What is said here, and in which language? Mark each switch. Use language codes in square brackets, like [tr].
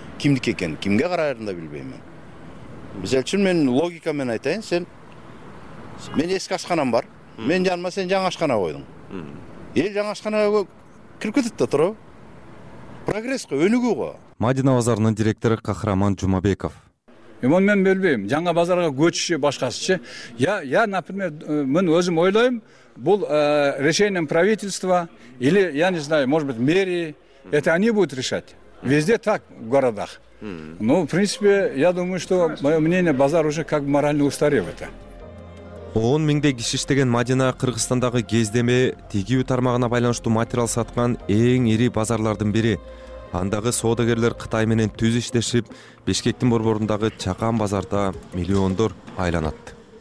[ky] Кимдики экен, кимге караарын да билбейм мен. Мисалы үчүн мен логика менен айтайын, сен менин эски ашканам бар, менин жаныма сен жаңы ашкана койдуң. Эл жаңы ашканага кирип кетет да туурабы? Прогресско, өнүгүүгө. Мадина базарынын директору Кахраман Жумабеков. Эмне мен билбейм, жаңы базарга көчүшү башкасычы. [ru] Я, например, [ky] мен өзүм ойлойм, бул [ru] решением правительства или, я не знаю, может быть, мэрии, это они будут решать. Везде так, в городах. Ну, в принципе, я думаю, что мое мнение, базар уже как бы морально устарел это. [ky] 10 миңдей киши иштеген Мадина Кыргызстандагы кездеме тигүү тармагына байланыштуу материал саткан эң ири базарлардын бири. Андагы соодагерлер Кытай менен түз иштешип, Бишкектин борборундагы Чакан базарда миллиондор айланат.